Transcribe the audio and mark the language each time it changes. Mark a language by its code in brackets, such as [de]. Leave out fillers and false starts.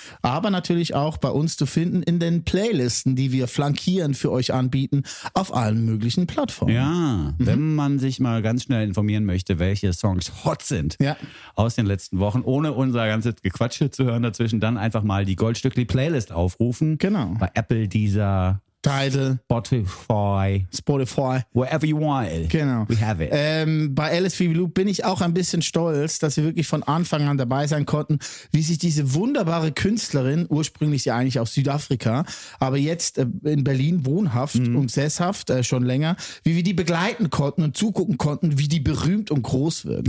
[de] Aber natürlich auch bei uns zu finden in den Playlisten, die wir flankierend für euch anbieten, auf allen möglichen Plattformen. Ja, wenn man sich mal ganz schnell informieren möchte, welche Songs hot sind aus den letzten Wochen, ohne unser ganzes Gequatsche zu hören dazwischen, dann einfach mal die Goldstückli-Playlist aufrufen. Genau. Bei Apple, Deezer, Tidal, [en] Spotify, wherever you want it, [de] genau. [en] We have it. [de] Bei Alice Phoebe Lou bin ich auch ein bisschen stolz, dass wir wirklich von Anfang an dabei sein konnten, wie sich diese wunderbare Künstlerin, ursprünglich ja eigentlich aus Südafrika, aber jetzt in Berlin wohnhaft und sesshaft schon länger, wie wir die begleiten konnten und zugucken konnten, wie die berühmt und groß wird.